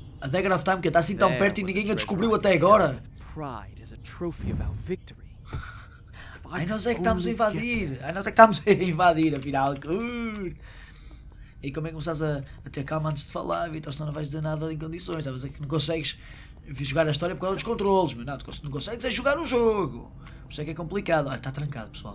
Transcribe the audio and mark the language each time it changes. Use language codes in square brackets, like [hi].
[pt] A Dagger of Time que está assim tão perto e ninguém a descobriu até agora! [en] Pride is a trophy of our victory. [pt] Ai, nós é que estamos a invadir! Ai, nós é que estamos a invadir, afinal! E como é que começas a ter calma antes de falar, Vitor? Senão não vais dizer nada em condições. Estavas a dizer que não consegues jogar a história por causa dos controles, mas não, tu não consegues é jogar o jogo! Por isso é que é complicado. Ai, está trancado, pessoal.